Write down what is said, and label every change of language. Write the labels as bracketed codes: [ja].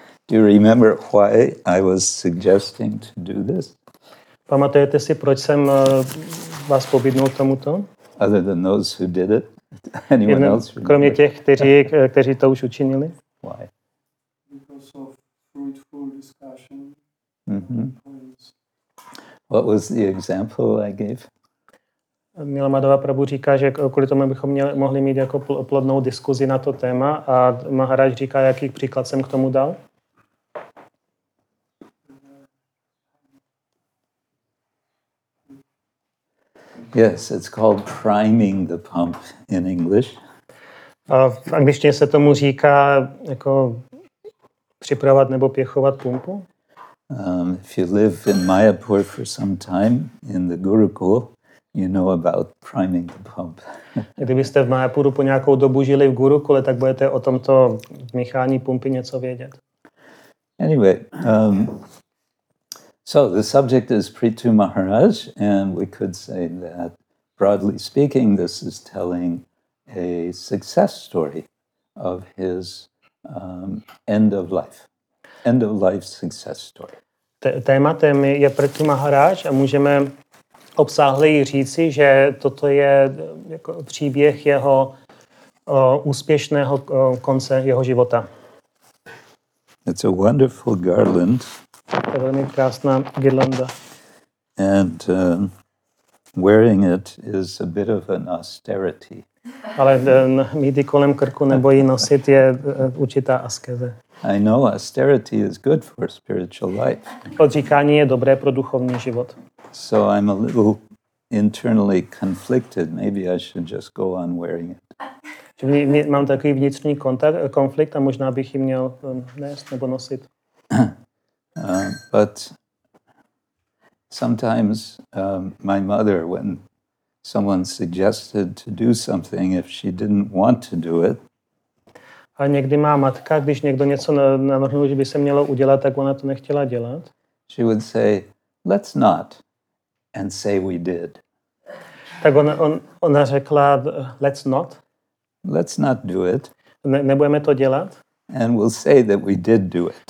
[en] Do you remember why I was suggesting to do this? [cs] Pamatujete si, proč jsem vás pobídnul tomuto? [en] Other than those who did it? Anyone else remember? [cs] Kromě těch, kteří to už učinili? [en] Why? Because of fruitful discussion. Mm-hmm. What was the example I gave? [cs] Mila Madhava Prabhu říká, že kvůli tomu bychom mohli mít jako plodnou diskuzi na to téma a Maharaj říká, jaký příklad jsem k tomu dal. [en] Yes, it's called priming the pump in English. [cs] V angličtině se tomu říká jako připravovat nebo pěchovat pumpu. [en] If you live in Mayapur for some time in the Gurukul, you know about priming the pump. [cs] Kdybyste v Mayapuru po nějakou dobu žili v Gurukule, tak budete o tomto míchání pumpy něco vědět. [en] Anyway, so the subject is Prithu Maharaj, and we could say that, broadly speaking, this is telling a success story of his end of life. End of life success story. [cs] Tématem je Prithu Maharaj a můžeme obsáhle říci, že toto je jako příběh jeho úspěšného konce jeho života. [en] It's a wonderful garland. [cs] To je velmi krásná girlanda. [en] And wearing it is a bit of an austerity. [cs] Ale mít ji kolem krku nebo ji nosit je určitá askeze. [en] I know austerity is good for spiritual life. [cs] Odříkání je dobré pro duchovní život. [en] So I'm a little internally conflicted. Maybe I should just go on wearing it. [cs] Mám takový vnitřní konflikt a možná bych ji měl nést nebo nosit. [en] But sometimes my mother, when someone suggested to do something, if she didn't want to do it. [cs] A někdy má matka, když někdo něco navrhnul, že by se mělo udělat, tak ona to nechtěla dělat. [en] She would say, let's not, and say we did. [cs] Tak ona řekla, [en] let's not. Let's not do it. [cs] Nebudeme to dělat. [en] And we'll say that we did do it.